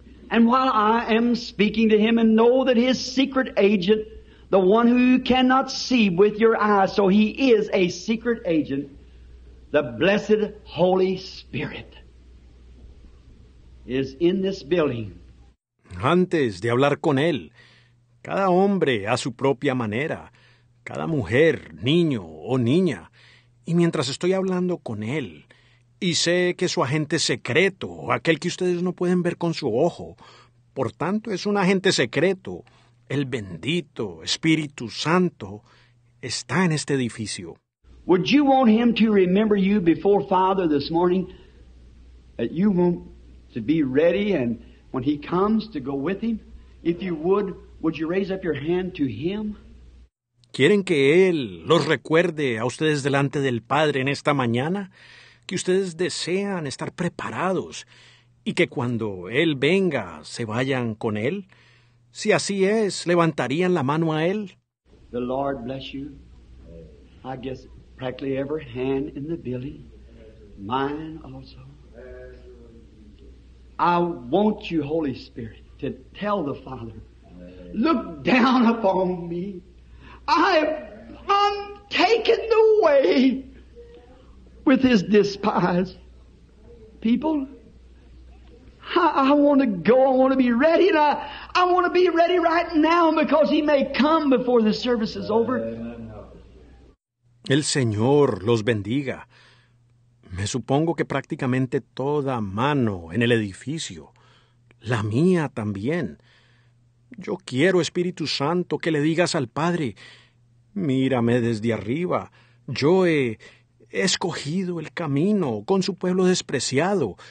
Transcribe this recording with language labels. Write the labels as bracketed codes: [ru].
[en] And while I am speaking to him, and know that his secret agent, the one who you cannot see with your eyes, so he is a secret agent, the blessed Holy Spirit is in this building. [es] Antes de hablar con él, cada hombre a su propia manera, cada mujer, niño o niña, y mientras estoy hablando con él, y sé que su agente secreto, aquel que ustedes no pueden ver con su ojo, por tanto es un agente secreto, el bendito Espíritu Santo, está en este edificio. [en] Would you want him to remember you before Father this morning, that you want to be ready and when he comes to go with him? If you would you raise up your hand to him? [es] ¿Quieren que Él los recuerde a ustedes delante del Padre en esta mañana? ¿Que ustedes desean estar preparados y que cuando Él venga se vayan con Él? Si así es, ¿levantarían la mano a Él? [en] The Lord bless you. I guess practically every hand in the building, mine also. I want you, Holy Spirit, to tell the Father, look down upon me. I'm taken away with his despised people. I want to go, I want to be ready, and I want to be ready right now because he may come before the service is over. [es] El Señor los bendiga. Me supongo que prácticamente toda mano en el edificio, la mía también. Yo quiero, Espíritu Santo, que le digas al Padre, mírame desde arriba. Yo he escogido el camino con su pueblo despreciado.